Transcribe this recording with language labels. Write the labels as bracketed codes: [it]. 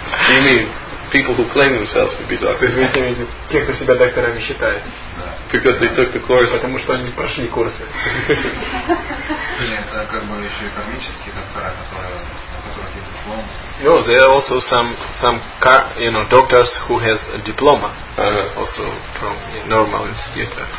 [en] You mean people who claim themselves to be doctors? [ru] Вы имеете те, кто себя докторами считает? [en] Because they took the course. [ru] Потому что они прошли курсы. Это как бы еще и кармические доктора, которые есть диплом. [en] No, there are also some doctors who has a diploma also from normal institute.